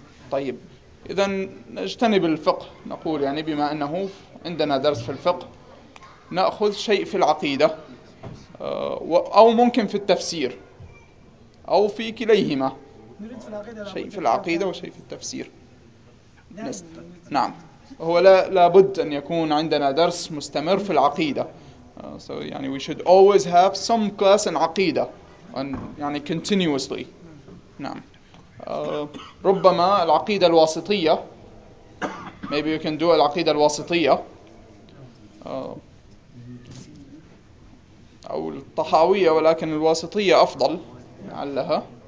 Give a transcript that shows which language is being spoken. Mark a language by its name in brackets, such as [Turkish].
[Arabic] طيب، إذا نجتنب الفقه، نقول يعني بما أنه عندنا درس في الفقه، نأخذ شيء في العقيدة أو ممكن في التفسير أو في كليهما. شيء في العقيدة وشيء في التفسير. نعم، هو لابد أن يكون عندنا درس مستمر في العقيدة. [English] So, يعني we should always have some class in عقيدة. يعني continuously. نعم. [Arabic] ربما العقيدة الواسطية. [English] Maybe you can do [Arabic] العقيدة الواسطية. أو الطحاوية، ولكن الواسطية أفضل لعلها.